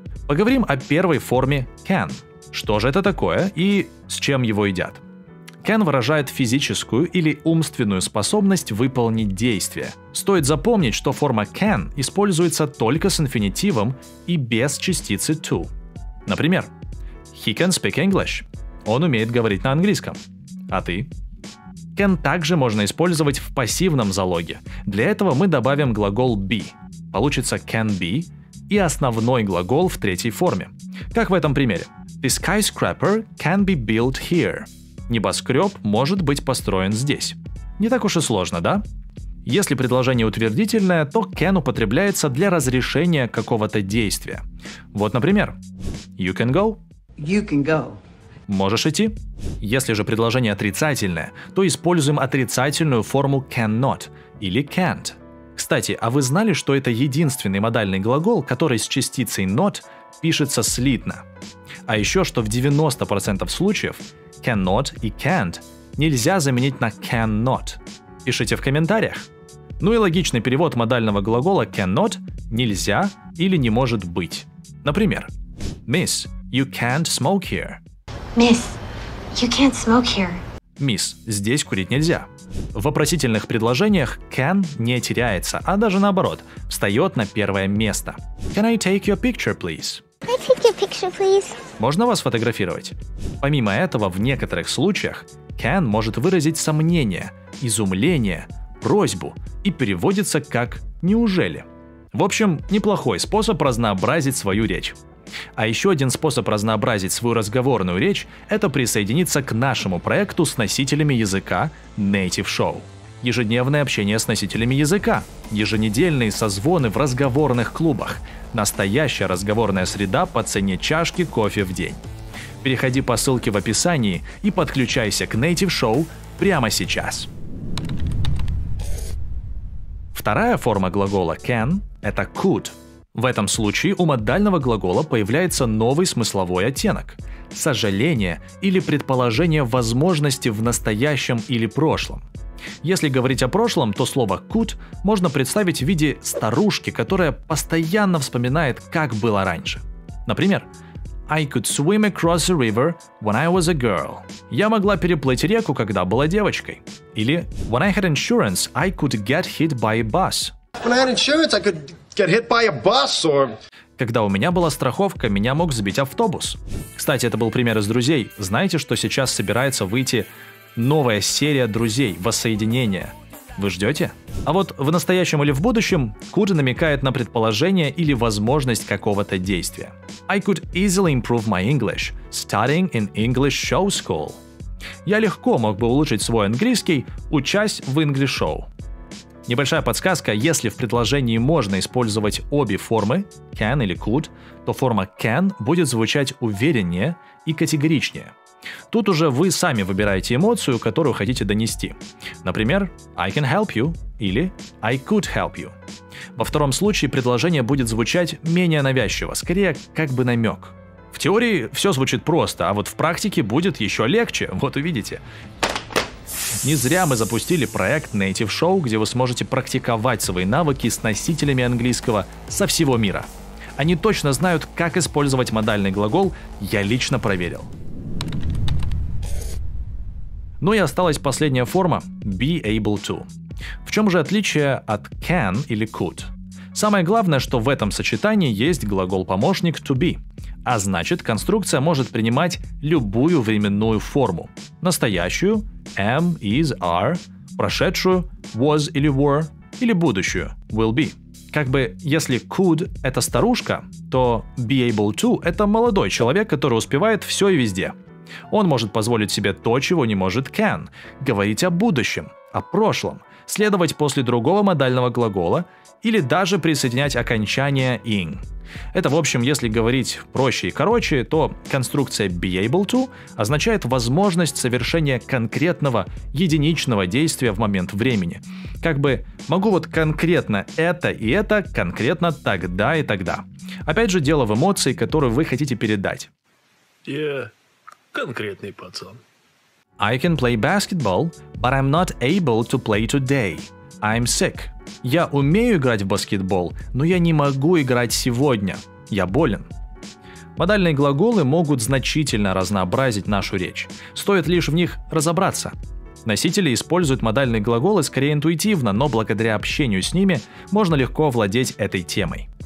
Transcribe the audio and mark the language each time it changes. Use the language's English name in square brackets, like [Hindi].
[Russian] Поговорим о первой форме can. Что же это такое и с чем его едят? Can выражает физическую или умственную способность выполнить действие. Стоит запомнить, что форма can используется только с инфинитивом и без частицы to. Например, [English] he can speak English. [Russian] Он умеет говорить на английском. А ты? Can также можно использовать в пассивном залоге. Для этого мы добавим глагол be. Получится can be и основной глагол в третьей форме. Как в этом примере. [English] The skyscraper can be built here. [Russian] Небоскреб может быть построен здесь. Не так уж и сложно, да? Если предложение утвердительное, то can употребляется для разрешения какого-то действия. Вот, например, [English] you can go. You can go. [Russian] Можешь идти? Если же предложение отрицательное, то используем отрицательную форму cannot или can't. Кстати, а вы знали, что это единственный модальный глагол, который с частицей not пишется слитно? А еще, что в 90% случаев cannot и can't нельзя заменить на cannot. Пишите в комментариях. Ну и логичный перевод модального глагола cannot – нельзя или не может быть. Например, [English] miss, you can't smoke here. Miss, you can't smoke here. [Russian] Мисс, здесь курить нельзя. В вопросительных предложениях can не теряется, а даже наоборот, встает на первое место. [English] Can I take your picture, please? Can I take your picture, please? [Russian] Можно вас фотографировать? Помимо этого, в некоторых случаях can может выразить сомнение, изумление, просьбу и переводится как «неужели?». В общем, неплохой способ разнообразить свою речь. А еще один способ разнообразить свою разговорную речь – это присоединиться к нашему проекту с носителями языка Native Show. Ежедневное общение с носителями языка, еженедельные созвоны в разговорных клубах, настоящая разговорная среда по цене чашки кофе в день. Переходи по ссылке в описании и подключайся к Native Show прямо сейчас. Вторая форма глагола can – это could. В этом случае у модального глагола появляется новый смысловой оттенок – сожаление или предположение возможности в настоящем или прошлом. Если говорить о прошлом, то слово could можно представить в виде старушки, которая постоянно вспоминает, как было раньше. Например, [English] I could swim across a river when I was a girl. [Russian] Я могла переплыть реку, когда была девочкой. Или [English] when I had insurance, I could get hit by a bus. When I had insurance, I could get hit by a bus or... [Russian] Когда у меня была страховка, меня мог сбить автобус. Кстати, это был пример из друзей. Знаете, что сейчас собирается выйти новая серия друзей, воссоединение? Вы ждете? А вот в настоящем или в будущем could намекает на предположение или возможность какого-то действия. [English] I could easily improve my English, studying in English show school. [Russian] Я легко мог бы улучшить свой английский, учась в English show. Небольшая подсказка, если в предложении можно использовать обе формы, can или could, то форма can будет звучать увереннее и категоричнее. Тут уже вы сами выбираете эмоцию, которую хотите донести. Например, [English] I can help you [Russian] или [English] I could help you. [Russian] Во втором случае предложение будет звучать менее навязчиво, скорее как бы намек. В теории все звучит просто, а вот в практике будет еще легче, вот увидите. Не зря мы запустили проект Native Show, где вы сможете практиковать свои навыки с носителями английского со всего мира. Они точно знают, как использовать модальный глагол, я лично проверил. Ну и осталась последняя форма – be able to. В чем же отличие от can или could? Самое главное, что в этом сочетании есть глагол-помощник to be. А значит, конструкция может принимать любую временную форму – настоящую, [English] am, is, are, [Russian] прошедшую, [English] was [Russian] или [English] were, [Russian] или будущую, [English] will be. [Russian] Как бы, если could — это старушка, то be able to — это молодой человек, который успевает все и везде. Он может позволить себе то, чего не может can — говорить о будущем, о прошлом, следовать после другого модального глагола или даже присоединять окончание ing. Это, в общем, если говорить проще и короче, то конструкция be able to означает возможность совершения конкретного, единичного действия в момент времени. Как бы «могу вот конкретно это и это, конкретно тогда и тогда». Опять же, дело в эмоции, которую вы хотите передать. Я конкретный пацан. [English] I can play basketball, but I'm not able to play today. I'm sick. [Russian] Я умею играть в баскетбол, но я не могу играть сегодня. Я болен. Модальные глаголы могут значительно разнообразить нашу речь. Стоит лишь в них разобраться. Носители используют модальные глаголы скорее интуитивно, но благодаря общению с ними можно легко владеть этой темой.